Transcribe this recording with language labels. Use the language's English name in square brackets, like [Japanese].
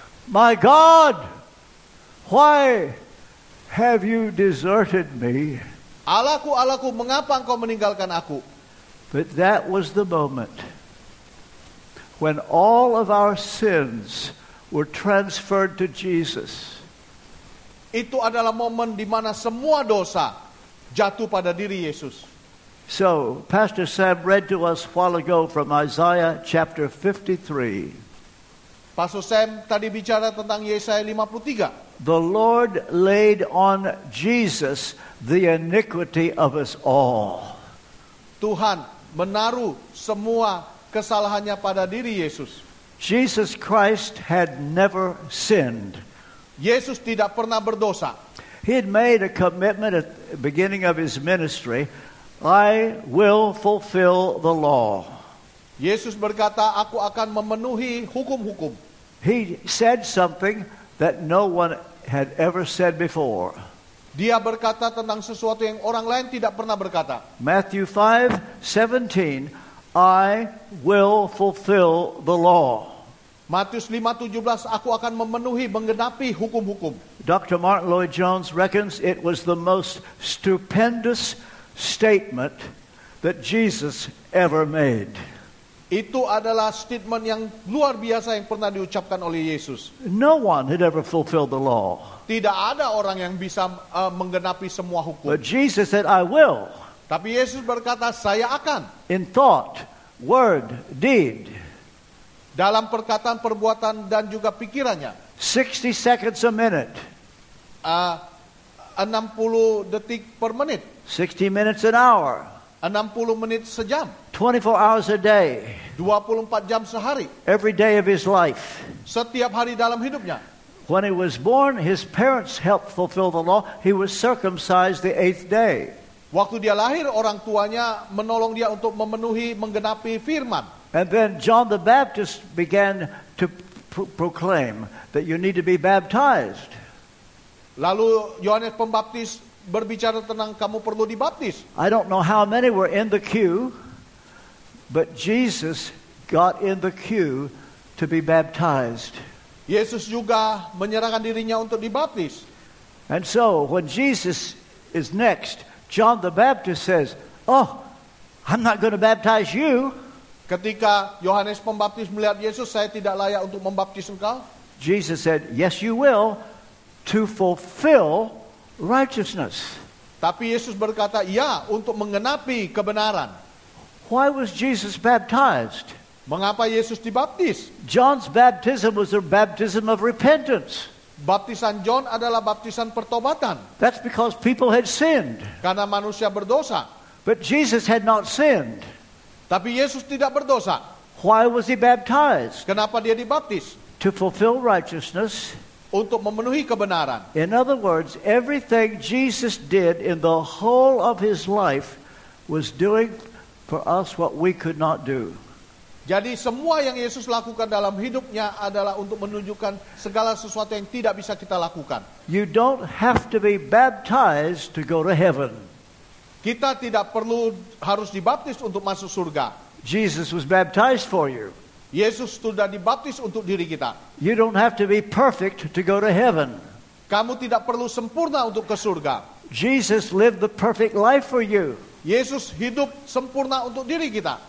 [English] My God, why have you deserted me? [Indonesian] Allahku, Allahku, mengapa engkau meninggalkan aku? [English] But that was the moment when all of our sins were transferred to Jesus. [Indonesian] Itu adalah momen di mana semua dosa jatuh pada diri Yesus. [English] So, Pastor Sam read to us a while ago from Isaiah chapter 53. [Indonesian] Pastor Sam tadi bicara tentang Yesaya 53. [English] The Lord laid on Jesus the iniquity of us all. [Indonesian] Tuhan menaruh semua kesalahannya pada diri Yesus. [English] Jesus Christ had never sinned. [Indonesian] Yesus tidak pernah berdosa. [English] He had made a commitment at the beginning of his ministry, I will fulfill the law. [Indonesian] Yesus berkata, aku akan memenuhi hukum-hukum. [English] He said something that no one had ever said before. [Indonesian] Dia berkata tentang sesuatu yang orang lain tidak pernah berkata. [English] Matthew 5:17, I will fulfill the law. [Indonesian] Matius 5:17, aku akan memenuhi, menggenapi hukum-hukum. [English] Dr. Martin Lloyd-Jones reckons it was the most stupendous statement that Jesus ever made. [Indonesian] Itu adalah statement yang luar biasa yang pernah diucapkan oleh Yesus. [English] No one had ever fulfilled the law. [Indonesian] Tidak ada orang yang bisa menggenapi semua hukum. [English] But Jesus said, I will. [Indonesian] Tapi Yesus berkata, saya akan. [English] In thought, word, deed. [Indonesian] Dalam perkataan, perbuatan, dan juga pikirannya. [English] 60 seconds a minute. [Indonesian] 60 detik per menit. [English] 60 minutes an hour. [Indonesian] 60 menit sejam. [English] 24 hours a day. [Indonesian] 24 jam sehari. [English] Every day of his life. [Indonesian] Setiap hari dalam hidupnya. [English] When he was born, his parents helped fulfill the law. He was circumcised the eighth day. [Indonesian] Waktu dia lahir, orang tuanya menolong dia untuk memenuhi, menggenapi firman. [English] And then John the Baptist began to proclaim that you need to be baptized. [Indonesian] Lalu Yohanes Pembaptis berbicara tentang kamu perlu dibaptis. [English] I don't know how many were in the queue, but Jesus got in the queue to be baptized. [Indonesian] Yesus juga menyerahkan dirinya untuk dibaptis. [English] And so when Jesus is next, John the Baptist says, "Oh, I'm not going to baptize you." [Indonesian] Ketika Yohanes Pembaptis melihat Yesus, saya tidak layak untuk membaptis engkau. [English] Jesus said, "Yes, you will, to fulfill righteousness." [Indonesian] Tapi Yesus berkata, "Ya, untuk menggenapi kebenaran." [English] Why was Jesus baptized? [Indonesian] Mengapa Yesus dibaptis? [English] John's baptism was a baptism of repentance. [Indonesian] Baptisan John adalah baptisan pertobatan. [English] That's because people had sinned. [Indonesian] Karena manusia berdosa. [English] But Jesus had not sinned. [Indonesian] Tapi Yesus tidak berdosa. [English] Why was he baptized? [Indonesian] Kenapa dia dibaptis? [English] To fulfill righteousness. [Indonesian] Untuk memenuhi kebenaran. [English] In other words, everything Jesus did in the whole of his life was doing for us what we could not do. [Indonesian] Jadi semua yang Yesus lakukan dalam hidupnya adalah untuk menunjukkan segala sesuatu yang tidak bisa kita lakukan. [English] You don't have to be baptized to go to heaven. [Indonesian] Kita tidak perlu harus dibaptis untuk masuk surga. [English] Jesus was baptized for you. [Indonesian] Yesus sudah dibaptis untuk diri kita. [English] You don't have to be perfect to go to heaven. [Indonesian] Kamu tidak perlu sempurna untuk ke surga. [English] Jesus lived the perfect life for you. [Indonesian] Yesus hidup sempurna untuk diri kita.